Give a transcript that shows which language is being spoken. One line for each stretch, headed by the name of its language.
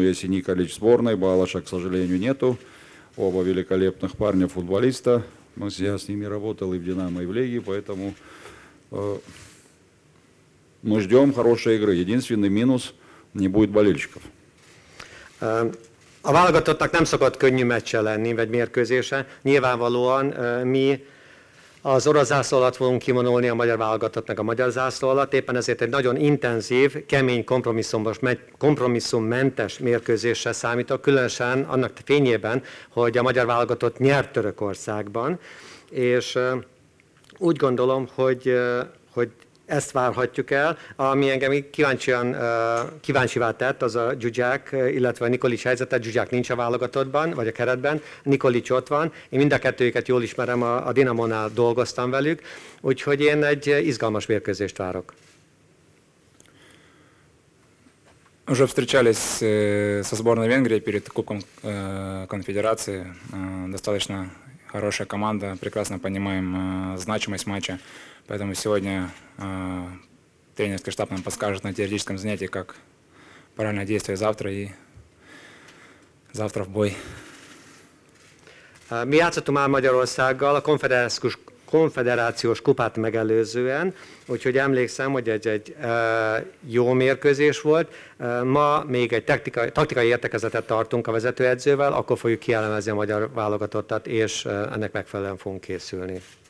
Russian: Если Николич в сборной, Балаша, к сожалению, нету. Оба великолепных парня, футболиста. Я с ними работал и в «Динамо», и в «Леге», поэтому мы ждем хорошей игры. Единственный минус – не будет болельщиков.
Hungarian: A válogatottnak nem szokott könnyű meccse lenni, vagy mérkőzése. Nyilvánvalóan mi az orosz zászló alatt fogunk kivonulni, a magyar válogatottnak a magyar zászló alatt. Éppen ezért egy nagyon intenzív, kemény, kompromisszummentes mérkőzésre számítok, különösen annak fényében, hogy a magyar válogatott nyert Törökországban. És úgy gondolom, hogy ezt várhatjuk el. Ami engem kíváncsivá tett, az a Dzsuzsák, illetve a Nikolic helyzete. Dzsuzsák nincs a válogatottban, vagy a keretben, Nikolic ott van. Én mind a kettőjüket jól ismerem, a Dinamonál dolgoztam velük, úgyhogy én egy izgalmas mérkőzést várok.
Russian: Уже встречались со сборной Венгрии перед Кубком Конфедерации. Достаточно хорошая команда, прекрасно понимаем значимость матча. Поэтому сегодня тренерский штаб нам подскажет на теоретическом занятии, как правильно действовать завтра и завтра в бой. Мы
Hungarian: játszottunk már Magyarországgal, a konfederációs kupát megelőzően, úgyhogy emlékszem, hogy egy jó mérkőzés volt. Ma még egy taktikai értekezetet tartunk a vezetőedzővel, akkor fogjuk kielemezni a magyar válogatottat, és ennek megfelelően fogunk készülni.